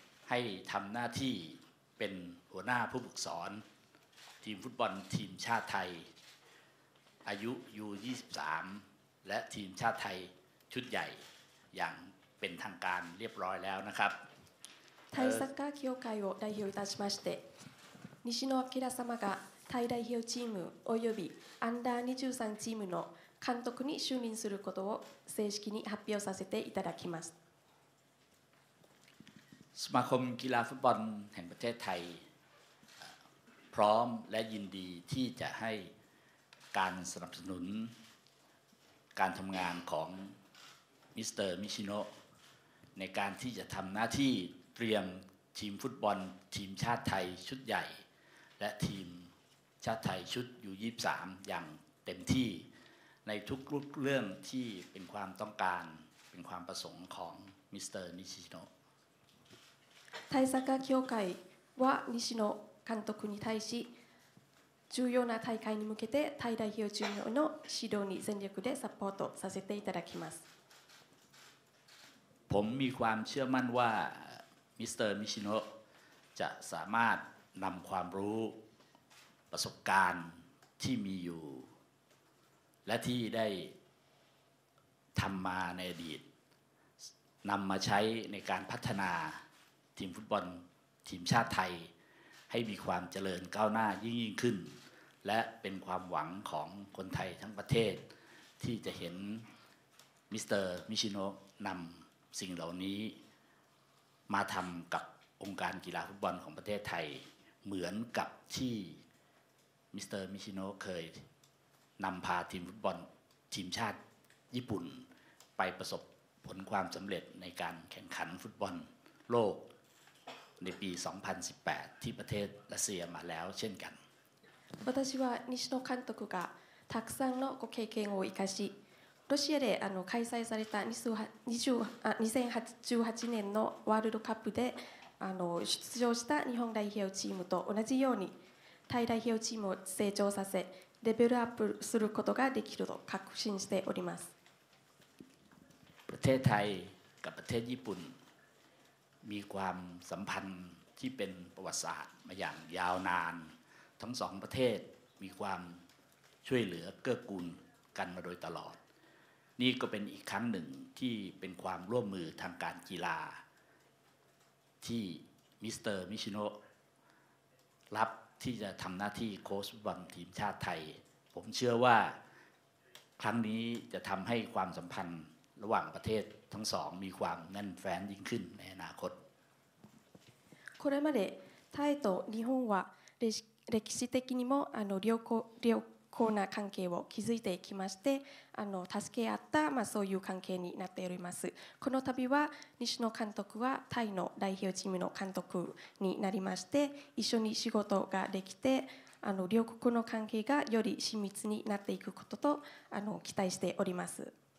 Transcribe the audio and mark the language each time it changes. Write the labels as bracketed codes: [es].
[th] ให้ทำหน้าที่เป็นหัวหน้าผู้ฝึกสอนทีมฟุตบอลทีมชาติไทยอายุ U23 และทีมชาติไทยชุดใหญ่อย่างเป็นทางการเรียบร้อยแล้วนะครับ [ja] タイサッカー協会を代表いたしまして西野明様がタイ代表チームおよびアンダー23チームの監督に就任することを正式に発表させていただきます。 [th] สมาคมกีฬาฟุตบอลแห่งประเทศไทยพร้อมและยินดีที่จะให้การสนับสนุนการทำงานของมิสเตอร์นิชิโนในการที่จะทำหน้าที่เตรียมทีมฟุตบอลทีมชาติไทยชุดใหญ่และทีมชาติไทยชุดU23อย่างเต็มที่ในทุกเรื่องที่เป็นความต้องการเป็นความประสงค์ของมิสเตอร์นิชิโนะ [ja] タイサッカー協会は西野監督に対し重要な大会に向けてタイ代表チームの指導に全力でサポートさせていただきます。 [th] ผมมีความเชื่อมั่นว่ามิสเตอร์นิชิโนะจะสามารถนำความรู้ประสบการณ์ที่มีอยู่และที่ได้ท ำมาในอดีตนำมาใช้ในการพัฒนาทีมฟุตบอลทีมชาติไทยให้มีความเจริญก้าวหน้ายิ่งยิ่งขึ้นและเป็นความหวังของคนไทยทั้งประเทศที่จะเห็นมิสเตอร์มิชิโนะนำสิ่งเหล่านี้ มาทำกับองค์การกีฬาฟุตบอลของประเทศไทยเหมือนกับที่มิสเตอร์มิชิโนะเคยนำพาทีมฟุตบอลทีมชาติญี่ปุ่นไปประสบผลความสำเร็จในการแข่งขันฟุตบอลโลกในปี2018ที่ประเทศรัสเซียมาแล้วเช่นกัน [ja] 私は西野監督がたくさんのご経験を生かしロシアで開催された2018年のワールドカップで出場した日本代表チームと同じようにタイ代表チームを成長させレベルアップすることができると確信しております。 [th] ประเทศไทยกับประเทศญี่ปุ่นมีความสัมพันธ์ที่เป็นประวัติศาสตร์มาอย่างยาวนานทั้งสองประเทศมีความช่วยเหลือเกื้อกูลกันมาโดยตลอดนี่ก็เป็นอีกครั้งหนึ่งที่เป็นความร่วมมือทางการกีฬา ที่มิสเตอร์มิชิโนะรับที่จะทำหน้าที่โค้ชฟุตบอลทีมชาติไทยผมเชื่อว่าครั้งนี้จะทำให้ความสัมพันธ์ระหว่างประเทศทั้งสองมีความแน่นแฟ้นยิ่งขึ้นในอนาคต [ja] これまでタイと日本は歴史的にも良好な関係を築いてきまして助け合った、そういう関係になっております。この度は西野監督はタイの代表チームの監督になりまして一緒に仕事ができて両国の関係がより親密になっていくことと期待しております。